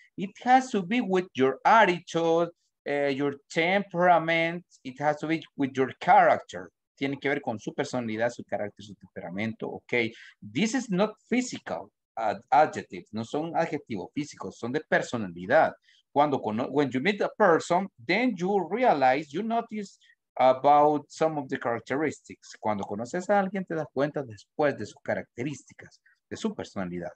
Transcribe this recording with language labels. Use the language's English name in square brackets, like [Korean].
[English] It has to be with your attitude, your temperament. It has to be with your character. [Spanish] Tiene que ver con su personalidad, su carácter, su temperamento, ¿ok? [English] This is not physical adjectives. [Spanish] No son adjetivos físicos, son de personalidad. [English] When you meet a person, then you realize, you notice about some of the characteristics. [Spanish] Cuando conoces a alguien, te das cuenta después de sus características, de su personalidad.